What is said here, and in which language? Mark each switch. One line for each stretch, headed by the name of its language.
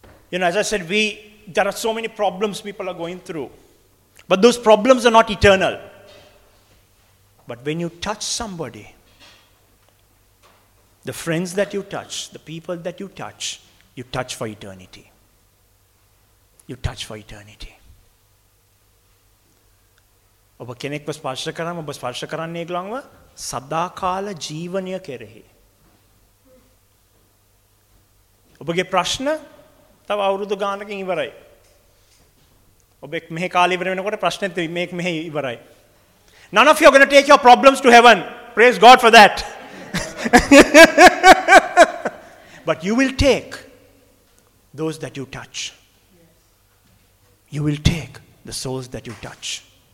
English: You know, as I said, there are so many problems people are going through. But those problems are not eternal. But when you touch somebody, the friends that you touch, the people that you touch for eternity. You touch for eternity.
Sinhala: ඔබ කෙනෙක්ව ස්පර්ශ කරාම ඔබ ස්පර්ශ කරන්නේ ඒගොල්ලන්ව සදාකාල ජීවනය කෙරෙහි. ඔබගේ ප්‍රශ්න තව අවුරුදු ගානකින් ඉවරයි. ඔබ එක් මෙහි කාලය ඉවර වෙනකොට ප්‍රශ්නෙත් මේක මෙහි ඉවරයි.
English: None of you are going to take your problems to heaven. Praise God for that. But you will take those that you touch. You will take the souls that you touch.